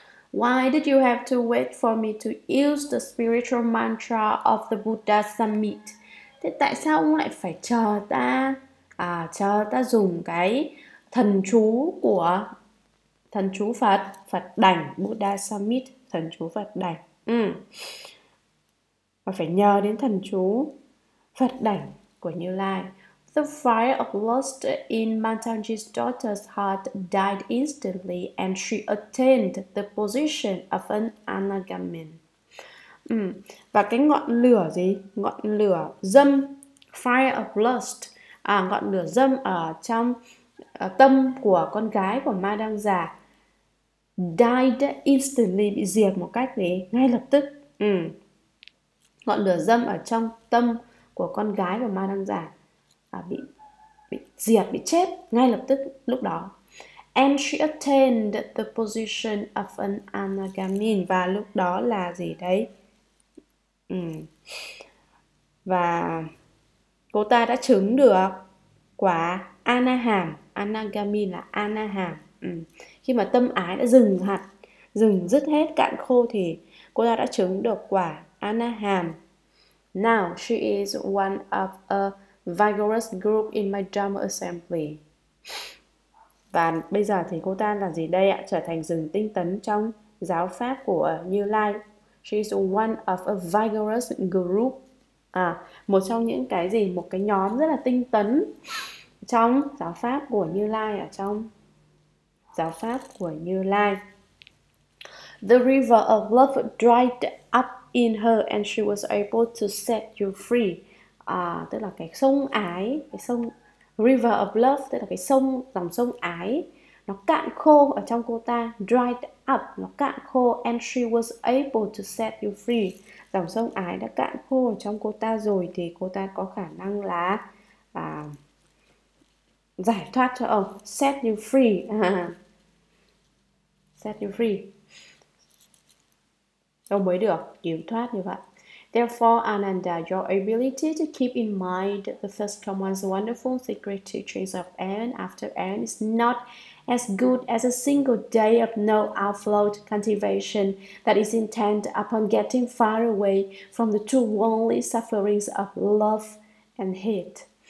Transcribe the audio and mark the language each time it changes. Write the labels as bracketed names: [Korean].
[English] Why did you have to wait for me to use the spiritual mantra of the Buddha Summit? [Vietnamese] Thế tại sao ông lại phải chờ ta, chờ ta dùng cái thần chú của thần chú Phật, Phật Đảnh, [English] Buddha Summit, [Vietnamese] thần chú Phật Đảnh. Mà phải nhờ đến thần chú Phật Đảnh của Như Lai. [English] The fire of lust in Mataji's daughter's heart died instantly and she attained the position of an anagamin. [Vietnamese] Và cái ngọn lửa gì? Ngọn lửa dâm, [English] fire of lust, [Vietnamese] ngọn lửa dâm ở trong tâm của con gái của ma đăng già [English] died instantly, [Vietnamese] bị diệt một cách gì? Ngay lập tức. Ngọn lửa dâm ở trong tâm của con gái của ma đăng già bị diệt, bị chết ngay lập tức lúc đó. [English] And she attained the position of an anagamin. [Vietnamese] Và lúc đó là gì đấy? Và cô ta đã chứng được quả anaham. Anagamin là anaham. Khi mà tâm ái đã dừng hẳn, dừng dứt hết, cạn khô, thì cô ta đã chứng được quả anaham. [English] Now she is one of a vigorous group in my Dharma assembly. [Vietnamese] Và bây giờ thì cô ta là gì đây ạ? Trở thành rừng tinh tấn trong giáo pháp của Như Lai. [English] She is one of a vigorous group. [Vietnamese] Một trong những cái gì? Một cái nhóm rất là tinh tấn trong giáo pháp của Như Lai, ở trong giáo pháp của Như Lai. [English] The river of love dried up in her and she was able to set you free. [Vietnamese] Tức là cái sông ái, cái sông [English] river of love, [Vietnamese] tức là cái sông, dòng sông ái, nó cạn khô ở trong cô ta, [English] dried up, [Vietnamese] nó cạn khô, [English] and she was able to set you free. [Vietnamese] Dòng sông ái đã cạn khô ở trong cô ta rồi thì cô ta có khả năng là giải thoát cho ông, [English] set you free. Set you free, [Vietnamese] ông mới được cứu thoát như vậy. [English] Therefore, Ananda, your ability to keep in mind the first common's wonderful secret teachings of Aeon after Aeon is not as good as a single day of no afloat cultivation that is intent upon getting far away from the two worldly sufferings of love and hate.